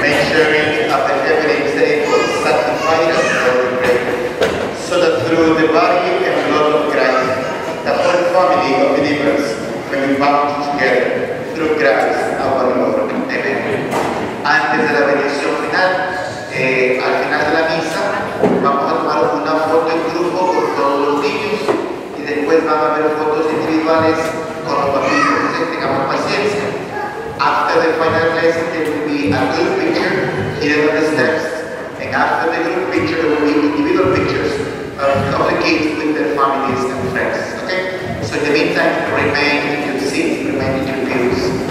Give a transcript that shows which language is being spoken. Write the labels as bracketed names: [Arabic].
[English] Make sure of the heavenly table sanctify us, Lord, we pray, so that through the body and blood of Christ, the whole family of believers may be bound together through Christ our Lord. Amen. [Spanish] Antes de la bendición final, al final de la misa, vamos a tomar una foto en grupo con todos los niños y después van a haber fotos individuales con los papitos. Entonces, tengamos paciencia. [English] After the final lesson, there will be a group picture hidden on the steps. And after the group picture, there will be individual pictures of the kids with their families and friends. Okay? So in the meantime, remain in your seats, remain in your pews.